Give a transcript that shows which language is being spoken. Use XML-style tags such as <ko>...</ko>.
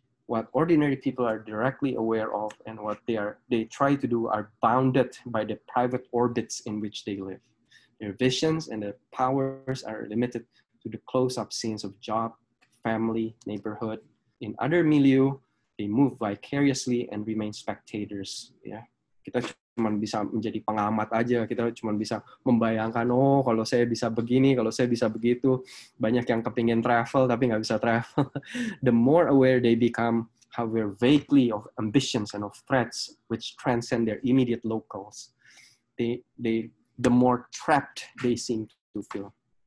<en>What ordinary people are directly aware of and what they try to do are bounded by the private orbits in which they live. Their visions and their powers are limited to the close-up scenes of job, family, neighborhood. In other milieu, they move vicariously and remain spectators. Yeah.</en> <id>Kita cuma bisa menjadi pengamat aja. Kita cuma bisa membayangkan, oh, kalau saya bisa begini, kalau saya bisa begitu. Banyak yang kepingin travel, tapi nggak bisa travel.</id> <en>The more aware they become, however vaguely, of ambitions and of threats which transcend their immediate locals, the more trapped they seem to feel.</en>